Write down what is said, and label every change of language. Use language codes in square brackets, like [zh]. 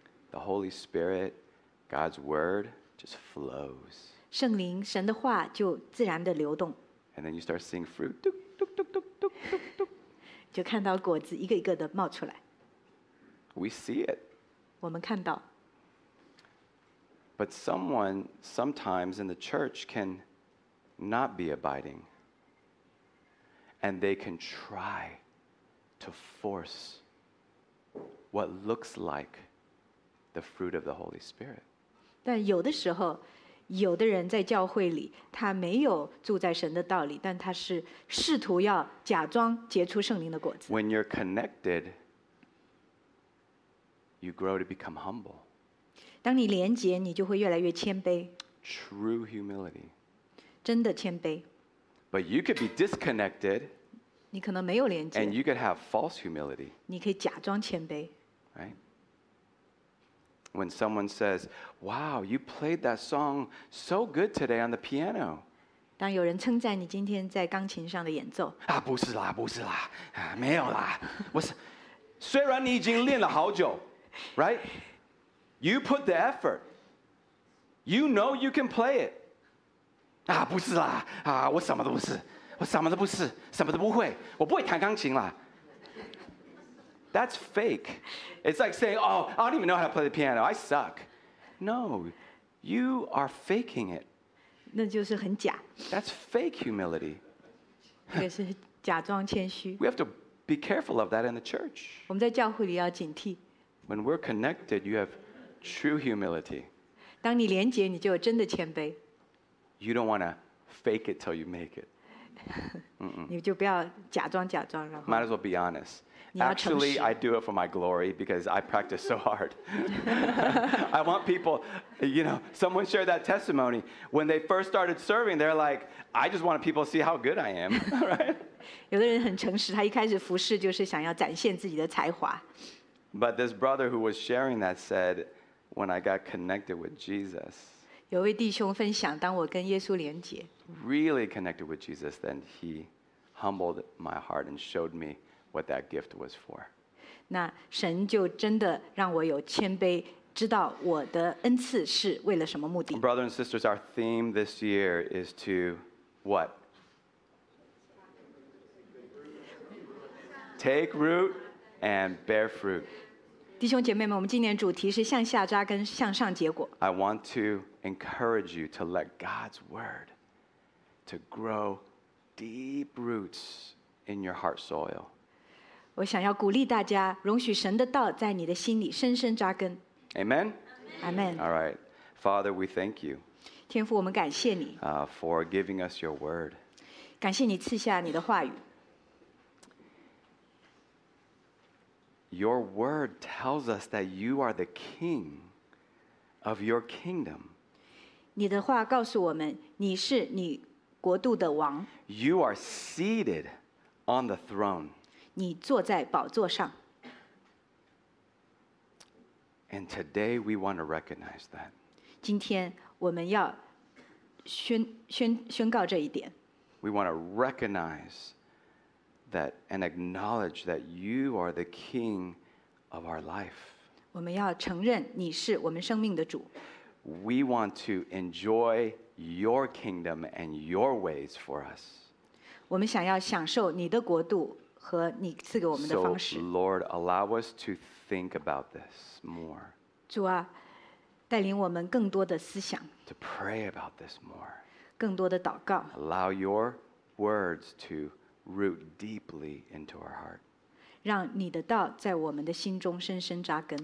[en] the Holy Spirit, God's word, just flows. [zh] 圣灵神的话就自然的流动。 [en] And then you start seeing fruit. 嘟嘟嘟嘟嘟嘟嘟。 [zh] 就看到果子一个一个的冒出来。 [en] We see it. [zh] 我们看到。 [en] But someone sometimes in the church can not be abiding. And they can try to force what looks like the fruit of the Holy Spirit. [zh] 但有的时候，有的人在教会里，他没有住在神的道里，但他是试图要假装结出圣灵的果子。 [en] When you're connected,You grow to become humble. [zh] 当你连结，你就会越来越谦卑。 [en] True humility. [zh] 真的谦卑。 [en] But you could be disconnected. [zh] 你可能没有连结。 [en] And you could have false humility. [zh] 你可以假装谦卑。 [en] Right? when someone says, "Wow, you played that song so good today on the piano." [zh] 当有人称赞你今天在钢琴上的演奏。啊，不是啦，不是啦，啊，没有啦。我是，虽然你已经练了好久，right? [en] You put the effort. You know you can play it. [zh] 啊，不是啦，啊，我什么都不是，我什么都不是，什么都不会，我不会弹钢琴啦。 [en] That's fake. It's like saying, oh, I don't even know how to play the piano. I suck. No, you are faking it. [zh] 那就是很假。 [en] That's fake humility. [zh] 这是假装谦虚。 [en] We have to be careful of that in the church. [zh] 我们在教会里要警惕。 [en] When we're connected, you have true humility. [zh] 当你连结，你就有真的谦卑。 [en] You don't want to fake it till you make it. [zh] 你就不要假装假装，然后。 [en] Might as well be honest. Actually, I do it for my glory because I practice so hard. I want people, you know, someone shared that testimony. When they first started serving, they're like, I just want people to see how good I am, right? [zh] 有的人很诚实，他一开始服侍就是想要展现自己的才华。 [en] But this brother who was sharing that said, when I got connected with Jesus, [zh] 有位弟兄分享，当我跟耶稣连结， [en] really connected with Jesus, then he humbled my heart and showed me. What that gift was for. [zh] 那神就真的让我有谦卑，知道我的恩赐是为了什么目的。 [en] Brothers and sisters, our theme this year is to what? Take root and bear fruit. [zh] 弟兄姐妹们，我们今年主题是向下扎根，向上结果。 [en] I want to encourage you to let God's word to grow deep roots in your heart soil. [zh] 我想要鼓励大家，容许神的道在你的心里深深扎根。 [en] Amen. Amen. All right, Father, we thank you. [zh] 天父，我们感谢你。 [en] For giving us your word. [zh] 感谢你赐下你的话语。 [en] Your word tells us that you are the king of your kingdom. [zh] 你的话告诉我们，你是你国度的王。 [en] You are seated on the throne. [zh] 你坐在宝座上。 [en] And today we want to recognize that. [zh] 今天我们要宣告这一点。 [en] We want to recognize that and acknowledge that you are the king of our life. [zh] 我们要承认你是我们生命的主。 [en] We want to enjoy your kingdom and your ways for us. [zh] 我们想要享受你的国度。和你赐给我们的方式。 [en] So, Lord, allow us to think about this more. [zh] 主啊，带领我们更多的思想。 [en] To pray about this more. [zh] 更多的祷告。 [en] Allow your words to root deeply into our heart. [zh] 让你的道在我们的心中深深扎根。